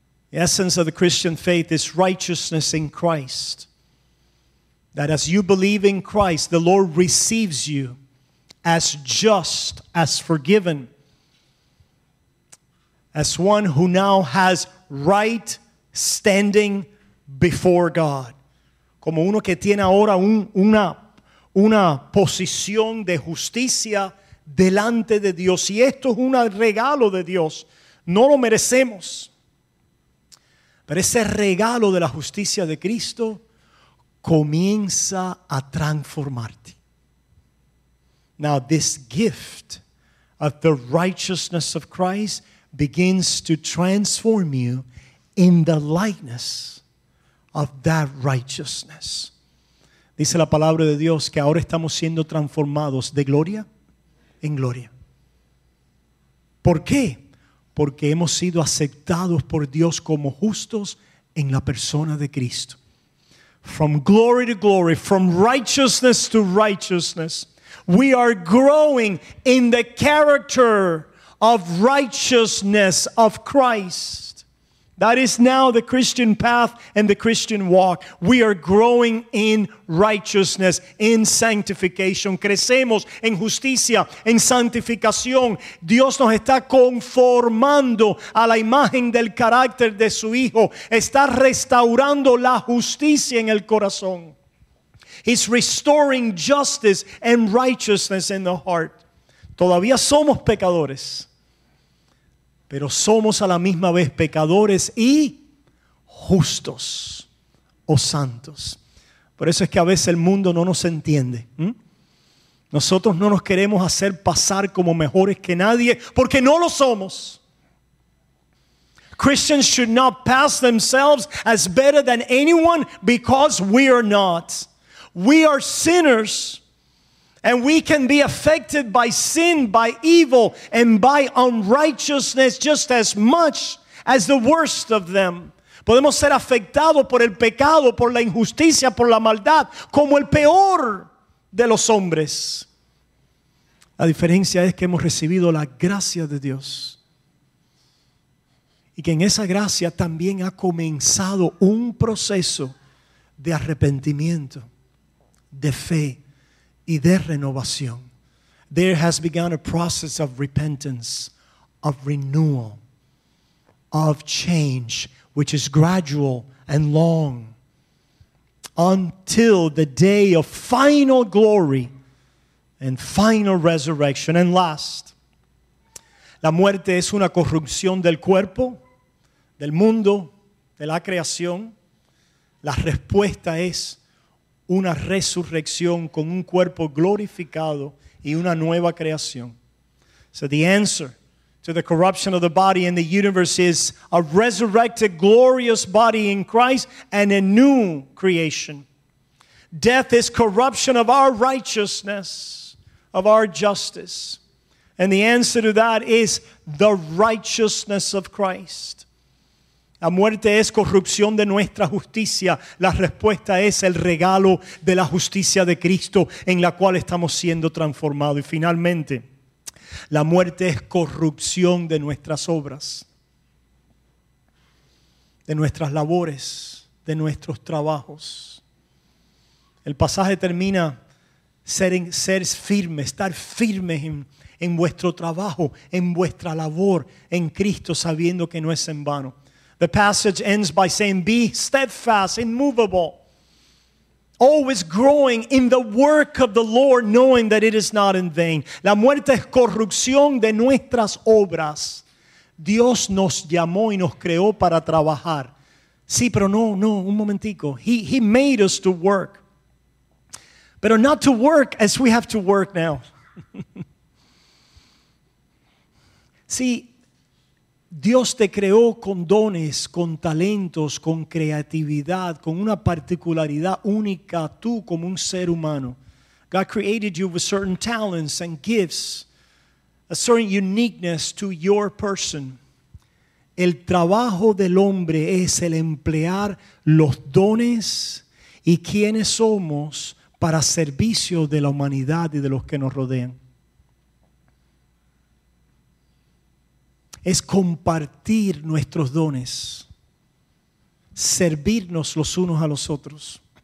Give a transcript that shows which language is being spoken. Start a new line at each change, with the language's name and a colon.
English: The essence of the Christian faith is righteousness in Christ. That as you believe in Christ, the Lord receives you as just, as forgiven, as one who now has right standing before God.
Spanish: Como uno que tiene ahora una posición de justicia delante de Dios. Y esto es un regalo de Dios. No lo merecemos. Pero ese regalo de la justicia de Cristo comienza a transformarte.
English: Now this gift of the righteousness of Christ begins to transform you in the likeness of that righteousness.
Spanish: Dice la palabra de Dios que ahora estamos siendo transformados de gloria en gloria. ¿Por qué? Porque hemos sido aceptados por Dios como justos en la persona de Cristo.
English: From glory to glory, from righteousness to righteousness, we are growing in the character of righteousness of Christ. That is now the Christian path and the Christian walk. We are growing in righteousness, in sanctification.
Spanish: Crecemos en justicia, en santificación. Dios nos está conformando a la imagen del carácter de su Hijo. Está restaurando la justicia en el corazón.
English: He's restoring justice and righteousness in the heart.
Spanish: Todavía somos pecadores, pero somos a la misma vez pecadores y justos o santos. Por eso es que a veces el mundo no nos entiende. Nosotros no nos queremos hacer pasar como mejores que nadie porque no lo somos.
English: Christians should not pass themselves as better than anyone because we are not. We are sinners. And we can be affected by sin, by evil, and by unrighteousness just as much as the worst of them.
Spanish: Podemos ser afectados por el pecado, por la injusticia, por la maldad, como el peor de los hombres. La diferencia es que hemos recibido la gracia de Dios. Y que en esa gracia también ha comenzado un proceso de arrepentimiento, de fe. Y de renovación.
English: There has begun a process of repentance, of renewal, of change, which is gradual and long, until the day of final glory and final resurrection. And last,
Spanish: la muerte es una corrupción del cuerpo, del mundo, de la creación. La respuesta es una resurrección con un cuerpo glorificado y una nueva creación.
English: So the answer to the corruption of the body in the universe is a resurrected glorious body in Christ and a new creation. Death is corruption of our righteousness, of our justice. And the answer to that is the righteousness of Christ.
Spanish: La muerte es corrupción de nuestra justicia. La respuesta es el regalo de la justicia de Cristo en la cual estamos siendo transformados. Y finalmente, la muerte es corrupción de nuestras obras, de nuestras labores, de nuestros trabajos. El pasaje termina ser firme, estar firme en vuestro trabajo, en vuestra labor, en Cristo, sabiendo que no es en vano.
English: The passage ends by saying, be steadfast, immovable, always growing in the work of the Lord, knowing that it is not in vain.
Spanish: La muerte es corrupción de nuestras obras. Dios nos llamó y nos creó para trabajar. Sí, pero no, un momentico.
English: He made us to work.
Spanish: Pero
English: not to work as we have to work now.
Spanish: Sí. Dios te creó con dones, con talentos, con creatividad, con una particularidad única tú como un ser humano.
English: God created you with certain talents and gifts, a certain uniqueness to your person.
Spanish: El trabajo del hombre es el emplear los dones y quiénes somos para servicio de la humanidad y de los que nos rodean. Es compartir nuestros dones, servirnos los unos a los otros.